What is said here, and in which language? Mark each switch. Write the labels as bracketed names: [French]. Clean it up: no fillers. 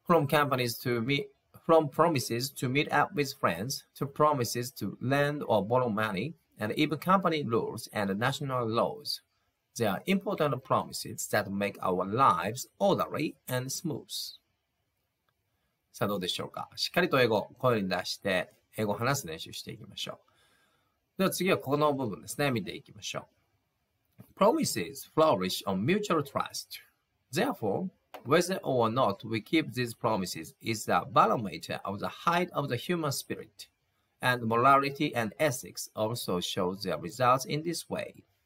[English] From promises to meet up with friends, to promises to lend or borrow money, and even company rules and national laws. They are important promises that make our lives orderly and smooth. [Japanese] さあどうでしょうか。しっかりと英語を声に出して英語を話す練習していきましょう。では次はこの部分ですね。見ていきましょう。 [English] Promises flourish on mutual trust. Therefore, whether or not we keep these promises is the barometer of the height of the human spirit. And morality and ethics also show their results in this way.